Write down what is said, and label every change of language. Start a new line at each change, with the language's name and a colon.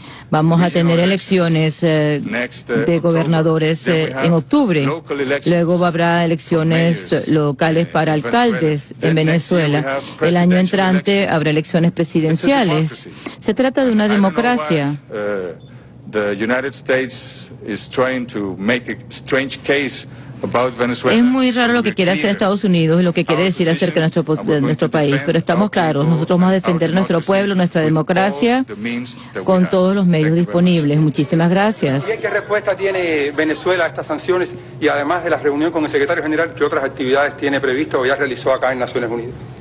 Spanish: Vamos a tener elecciones de gobernadores en octubre. Luego habrá elecciones locales para alcaldes en Venezuela. El año entrante habrá elecciones presidenciales. Se trata de una democracia.
English: The United States is trying to make a strange case about Venezuela.
Spanish: Es muy raro lo que quiere hacer Estados Unidos y lo que quiere decir acerca de nuestro país, pero estamos claros, nosotros vamos a defender nuestro pueblo, nuestra democracia, con todos los medios disponibles. Muchísimas gracias. ¿Qué respuesta tiene Venezuela a estas sanciones y además de la reunión con el secretario general, qué otras actividades tiene previsto o ya realizó acá en Naciones Unidas?